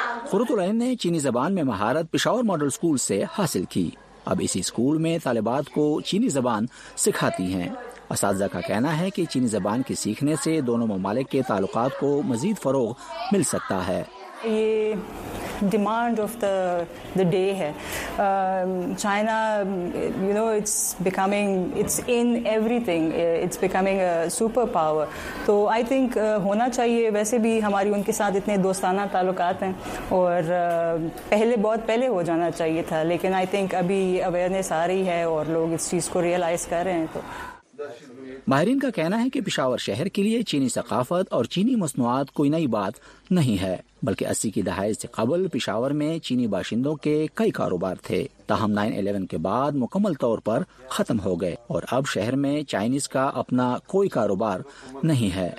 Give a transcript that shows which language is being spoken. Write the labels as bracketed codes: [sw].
[ur] قرت العین نے چینی زبان میں مہارت پشاور ماڈل اسکول سے حاصل کی. اب اسی اسکول میں طالبات کو چینی زبان سکھاتی ہیں. اساتذہ کا کہنا ہے کہ چینی زبان کے سیکھنے سے دونوں ممالک کے تعلقات کو مزید فروغ مل سکتا ہے. یہ [en] demand of the day [ur] ہے. [en] China you know it's becoming it's in every thing, it's becoming a super power. [ur] تو [en] I think [ur] ہونا چاہیے, ویسے بھی ہماری ان کے ساتھ اتنے دوستانہ تعلقات ہیں اور پہلے بہت پہلے ہو جانا چاہیے تھا, لیکن آئی تھنک ابھی اویئرنیس آ رہی ہے اور لوگ اس چیز کو ریئلائز کر رہے ہیں. تو ماہرین کا کہنا ہے کہ پشاور شہر کے لیے چینی ثقافت اور چینی مصنوعات کوئی نئی بات نہیں ہے, بلکہ 80 کی دہائی سے قبل پشاور میں چینی باشندوں کے کئی کاروبار تھے, تاہم 9/11 کے بعد مکمل طور پر ختم ہو گئے اور اب شہر میں چائنیز کا اپنا کوئی کاروبار نہیں ہے.